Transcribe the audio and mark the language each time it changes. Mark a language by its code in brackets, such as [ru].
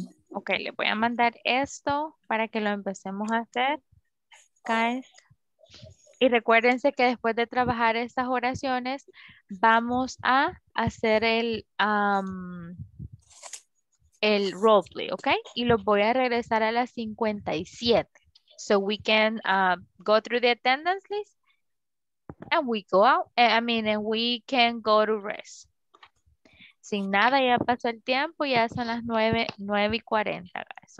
[es] Ok, le voy a mandar esto para que lo empecemos a hacer, guys. Y recuérdense que después de trabajar estas oraciones, vamos a hacer el roleplay, ok? Y lo voy a regresar a las 57. [en] So we can go through the attendance list and we go out, and we can go to rest. [es] Sin nada, ya pasó el tiempo, ya son las 9:40, guys.